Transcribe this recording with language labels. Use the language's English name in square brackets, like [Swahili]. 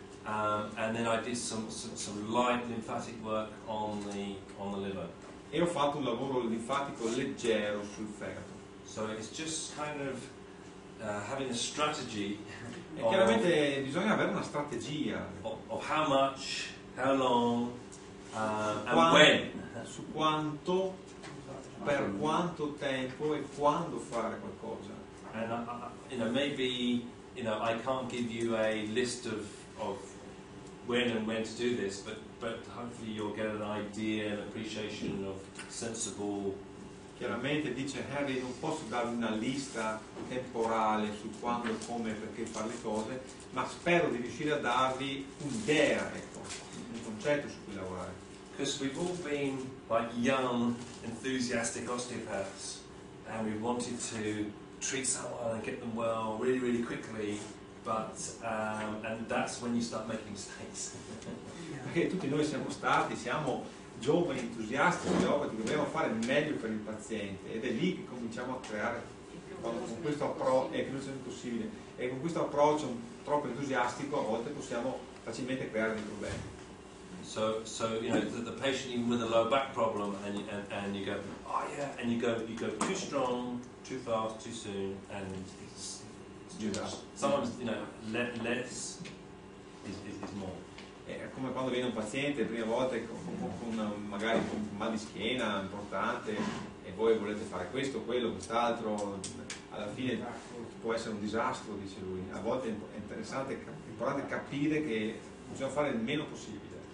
[English] And then I did some light lymphatic work on the liver. [Italian] E ho fatto un lavoro linfatico leggero sul fegato. [English] So it's just kind of having a strategy. [Italian] E chiaramente bisogna avere una strategia. [English] Of how much, how long, [Italian] quanto, [English] and when. [Italian] Su quanto, per quanto tempo e quando fare qualcosa. [English] And maybe you know, I can't give you a list of when and when to do this, but hopefully you'll get an idea, an appreciation of sensible. [Italian] Chiaramente, dice Harry, non posso darvi una lista temporale su quando, come, perché fare le cose, ma spero di riuscire a darvi un'idea, ecco, un concetto su cui lavorare. [English] Because we've all been like young, enthusiastic osteopaths, and we wanted to treat someone and get them well really, really quickly, but and that's when you start making mistakes. [Italian] Perché tutti noi siamo stati, siamo giovani, entusiasti, osteopati, dobbiamo fare il meglio per il paziente, ed è lì che cominciamo a creare, con questo approccio, possibile, e con questo approccio troppo entusiastico a volte possiamo facilmente creare dei problemi. [English] So you know, the patient even with a low back problem, and you go, oh yeah, and you go too strong, too fast, too soon, and it's too bad. Sometimes, you know, less is more. [Italian] Come quando viene un paziente prima volta con magari con mal di schiena importante e voi volete fare questo, quello, quest'altro, alla fine può essere un disastro, dice lui. A volte è importante capire che bisogna fare il meno possibile.